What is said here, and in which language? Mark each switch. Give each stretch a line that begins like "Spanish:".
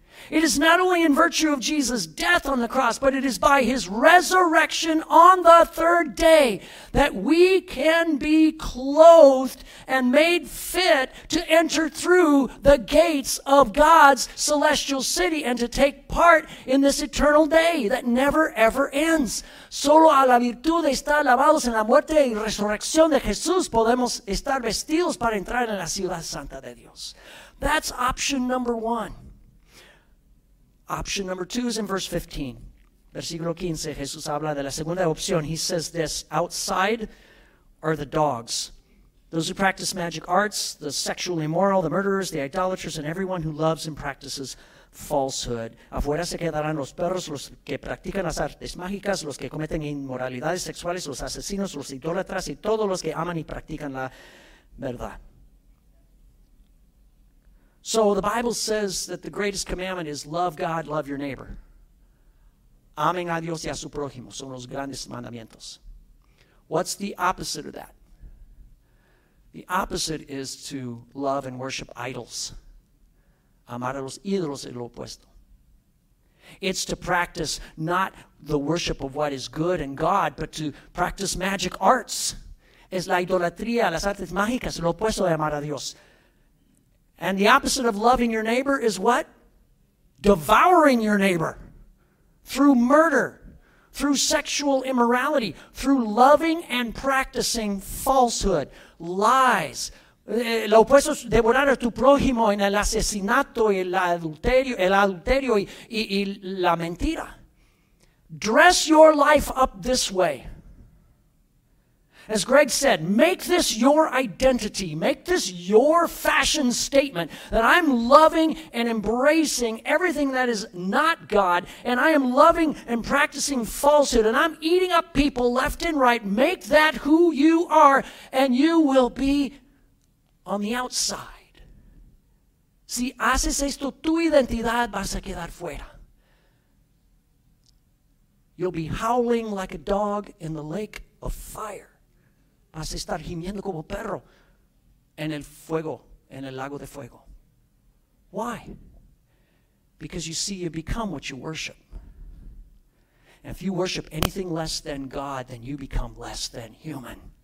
English: It is not only in virtue of Jesus' death on the cross, but it is by his resurrection on the third day that we can be clothed and made fit to enter through the gates of God's celestial city and to take part in this eternal day that never, ever ends.
Spanish: Solo a la virtud de estar lavados en la muerte y resurrección de Jesús podemos estar vestidos para entrar en la ciudad santa de Dios.
English: That's option number one. Option number two is in verse 15.
Spanish: Versículo 15, Jesús habla de la segunda opción.
English: He says this, outside are the dogs. Those who practice magic arts, the sexually immoral, the murderers, the idolaters, and everyone who loves and practices falsehood.
Spanish: Afuera se quedarán los perros, los que practican las artes mágicas, los que cometen inmoralidades sexuales, los asesinos, los idólatras, y todos los que aman y practican la verdad.
English: So the Bible says that the greatest commandment is love God, love your neighbor.
Spanish: Amen a Dios y a su prójimo. Son los grandes mandamientos.
English: What's the opposite of that? The opposite is to love and worship idols.
Spanish: Amar a los ídolos es lo opuesto.
English: It's to practice not the worship of what is good and God, but to practice magic arts.
Spanish: Es la idolatría, las artes mágicas, lo opuesto de amar a Dios.
English: And the opposite of loving your neighbor is what? Devouring your neighbor through murder, through sexual immorality, through loving and practicing falsehood, lies.
Spanish: Lo opuesto es devorar a tu prójimo en el asesinato y el adulterio y la mentira.
English: Dress your life up this way. As Greg said, make this your identity. Make this your fashion statement that I'm loving and embracing everything that is not God, and I am loving and practicing falsehood, and I'm eating up people left and right. Make that who you are, and you will be on the outside.
Spanish: Si haces esto, tu identidad vas a quedar fuera.
English: You'll be howling like a dog in the lake of fire.
Spanish: Vas a estar gimiendo como perro en el fuego, en el lago de fuego.
English: Why? Because you see, you become what you worship. And if you worship anything less than God, then you become less than human.